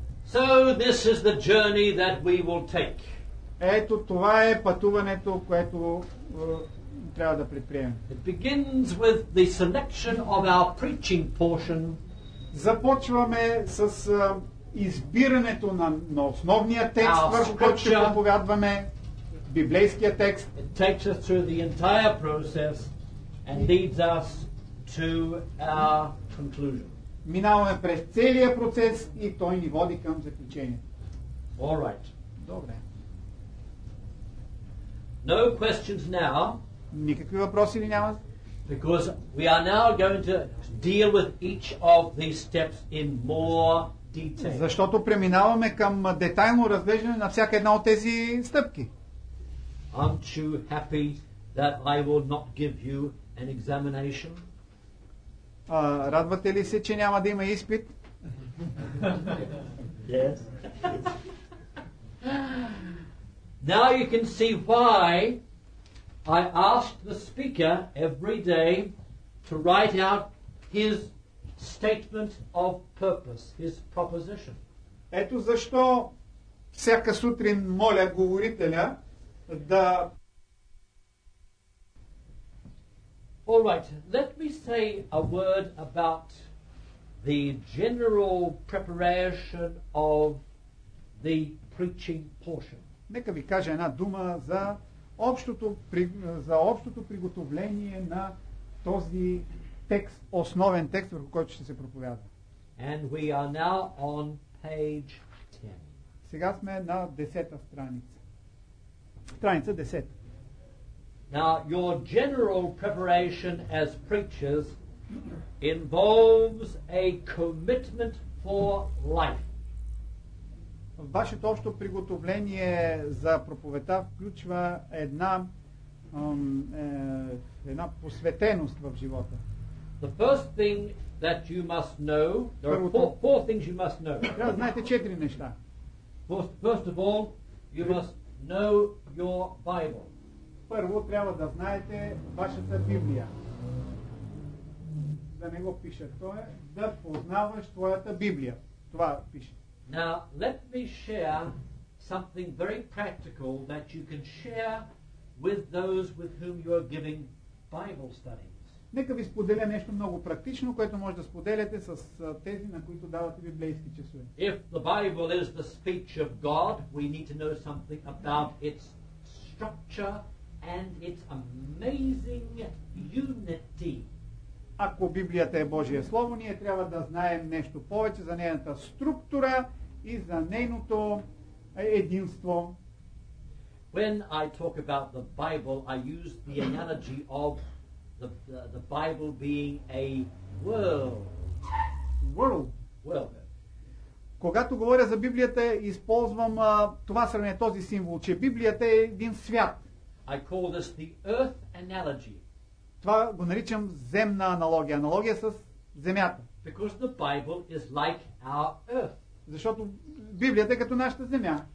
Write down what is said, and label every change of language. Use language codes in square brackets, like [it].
[en] So this is the journey that we will take. [bg] Ето това е пътуването, което трябва да предприемем. [en] It begins with the selection of our preaching portion. [bg] Започваме с избирането на основния текст, върху който ще проповядваме, библейския текст. [en] It takes us through the entire process and leads us to our conclusion. [bg] Минаваме през целия процес и той ни води към заключение. [en] All right. [bg] Добре. [en] No questions now. [bg] Никакви въпроси ли няма? [en] Because we are now going to deal with each of these steps in more detail. [bg] Защото преминаваме към детайлно разглеждане на всяка една от тези стъпки. [en] Aren't you happy that I will not give you an examination? [bg] Радвате ли се, че няма да има изпит? [en] Yes. Now you can see why I asked the speaker every day to write out his statement of purpose, his proposition. [bg] Ето защо всяка сутрин моля говорителя да... [en] All right, let me say a word about the general preparation of the preaching portion. [bg] Нека ви кажа една дума за общото приготовление на този текст, основен текст, върху който ще се проповядва. [en] And we are now on page 10. [bg] Сега сме на 10-та страница. Страница 10. [en] Now, your general preparation as preachers involves a commitment for life. [bg] Вашето общо приготовление за проповедта включва една посветеност в живота. [en] The first thing that you must know, there are four things you must know. [bg] Трябва да знаете четири неща. [en] First of all, you must know your Bible. [bg] Първо трябва да знаете вашата Библия. Да не го пиша. Това е да познаваш твоята Библия. Това пише. [en] Now, let me share something very practical that you can share with those with whom you are giving Bible studies. [bg] Нека ви споделя нещо много практично, което може да споделяте с тези, на които давате библейски часове. [en] If the Bible is the speech of God, we need to know something about its structure and its amazing unity. [bg] Ако Библията е Божие Слово, ние трябва да знаем нещо повече за нейната структура и за нейното единство. [en] When I talk about the Bible, I use the analogy of the Bible being a world. [bg] Well, когато говоря за Библията, използвам това сравнение, този символ, че Библията е един свят. [en] I call this the earth analogy. [bg] Това го наричам земна аналогия, аналогия с земята. [en] Because the Bible is like our earth. [bg] Защото Библията е като нашата земя.